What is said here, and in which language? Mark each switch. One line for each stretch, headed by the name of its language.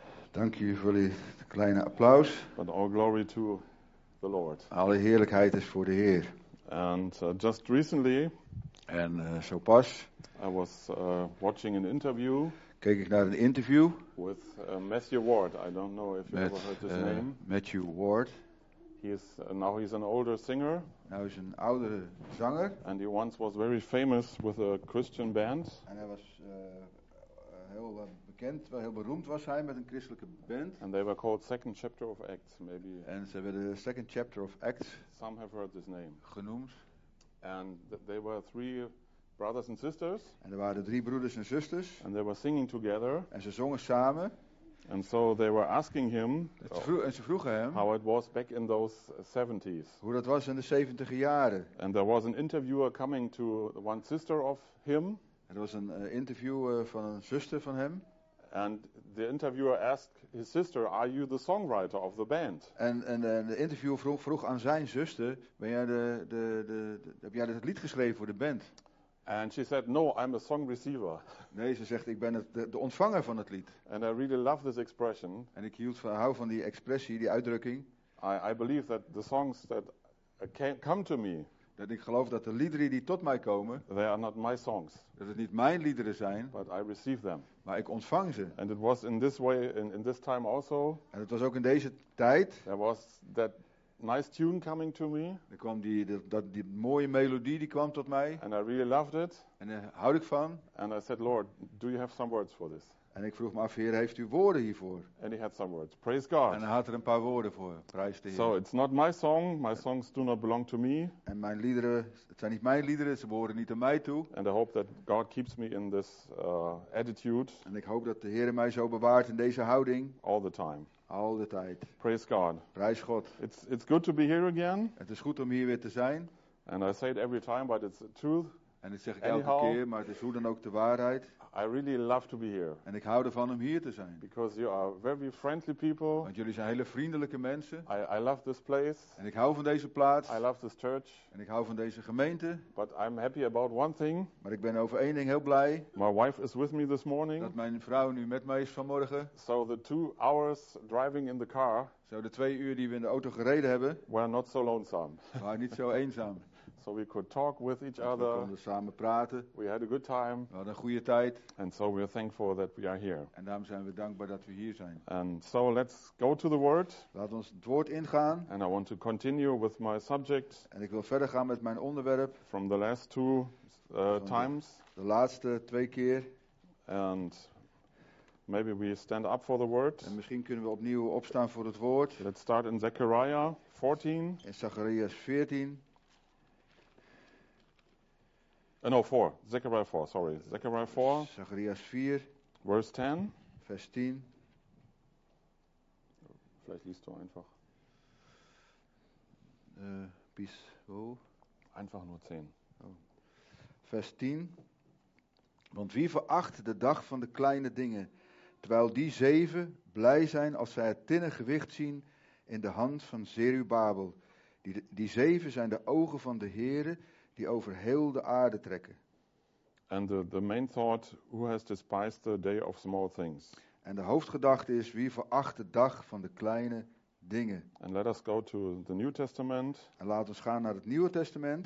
Dutch: Dank u voor dit kleine applaus.
English: But all glory to the Lord.
Dutch: Alle heerlijkheid is voor de Heer.
English: And just recently,
Dutch: en zo pas,
English: I was watching an interview.
Dutch: Keek ik naar een interview
English: with Matthew Ward. I don't know if you ever heard his name. Matthew Ward. He is now he's an older singer.
Dutch: Nou is een oudere zanger.
English: And he once was very famous with a Christian band.
Dutch: En hij was heel bekend, wel heel beroemd was hij met een christelijke band.
English: And they were called Second Chapter of Acts, maybe.
Dutch: En ze werden Second Chapter of Acts.
English: Some have heard this name.
Dutch: Genoemd.
English: And they were three brothers and sisters.
Dutch: En er waren drie broeders en zusters.
English: And they were singing together.
Dutch: En ze zongen samen.
English: And so they were asking him.
Dutch: En ze vroegen hem.
English: How it was back in those 70s.
Dutch: Hoe dat was in de 70e jaren.
English: And there was an interviewer coming to one sister of him.
Dutch: Er was een interviewer van een zuster van hem.
English: And the interviewer asked his sister, "Are you the songwriter of the band?"
Dutch: En de interviewer vroeg aan zijn zuster, "Ben jij heb jij het lied geschreven voor de band?"
English: And she said, "No, I'm a song receiver."
Dutch: Nee, ze zegt, ik ben de ontvanger van het lied.
English: And I really love this expression.
Dutch: En ik hou van die expressie, die uitdrukking.
English: I believe that the songs that come to me.
Dutch: Dat ik geloof dat de liederen die tot mij komen.
English: They are not my songs.
Dutch: Dat het niet mijn liederen zijn.
English: But I receive them.
Dutch: Maar ik ontvang ze.
English: And it was in this way, in this time also.
Dutch: En het was ook in deze tijd.
English: There was that nice tune coming to me.
Dutch: Er kwam die mooie melodie die kwam tot mij.
English: And I really loved it.
Dutch: En daar houd ik van.
English: And I said, "Lord, do you have some words for this?"
Dutch: En ik vroeg me af, Heer, heeft u woorden hiervoor?
English: And he had some words. Praise God.
Dutch: En hij had er een paar woorden voor. Prijs de Heer.
English: So it's not my song. My songs do not belong to me.
Dutch: En mijn liederen, het zijn niet mijn liederen. Ze behoren niet aan mij toe.
English: And I hope that God keeps me in this attitude.
Dutch: En ik hoop dat de Heer mij zo bewaart in deze houding.
English: All the time.
Dutch: Al de tijd.
English: Praise God.
Dutch: Prijs God.
English: It's good to be here again.
Dutch: Het is goed om hier weer te zijn.
English: And I say it every time, but it's the truth.
Dutch: En ik zeg het elke keer, maar het is hoe dan ook de waarheid.
English: I really love to be here.
Dutch: En ik hou ervan om hier te zijn.
English: Because you are very friendly people.
Dutch: Want jullie zijn hele vriendelijke mensen.
English: I love this place.
Dutch: En ik hou van deze plaats.
English: I love this church.
Dutch: En ik hou van deze gemeente.
English: But I'm happy about one thing.
Dutch: Maar ik ben over één ding heel blij.
English: My wife is with me this morning.
Dutch: Dat mijn vrouw nu met mij is vanmorgen.
English: So the 2 hours driving in the car.
Dutch: Zo de 2 uur die we in de auto gereden hebben.
English: Were not so lonesome.
Dutch: Waren niet zo eenzaam.
English: So we could talk with each other.
Dutch: We konden samen praten.
English: We had a good time.
Dutch: We hadden een goede tijd.
English: And so we are thankful that we are here.
Dutch: En daarom zijn we dankbaar dat we hier zijn.
English: And so let's go to the word.
Dutch: Laat ons het woord ingaan.
English: And I want to continue with my subject.
Dutch: En ik wil verder gaan met mijn onderwerp.
English: From the last 2 times.
Dutch: De laatste 2 keer.
English: And maybe we stand up for the word.
Dutch: En misschien kunnen we opnieuw opstaan voor het woord.
English: Let's start in Zechariah 14.
Dutch: In Zacharias 14.
English: No, 4. Zechariah 4, sorry. Zechariah 4.
Dutch: Zacharias 4.
English: Verse 10.
Dutch: Vers 10.
German: Vielleicht liest du einfach. Bis wo? Einfach nur 10.
Dutch: Oh. Vers 10. Want wie veracht de dag van de kleine dingen, terwijl die 7 blij zijn als zij het tinnen gewicht zien in de hand van Zerubabel. Die 7 zijn de ogen van de Heere, die over heel de aarde trekken.
English: And the main thought, who has despised the day of small things?
Dutch: En de hoofdgedachte is, wie veracht de dag van de kleine dingen?
English: And let us go to the New Testament.
Dutch: En laat ons gaan naar het Nieuwe Testament.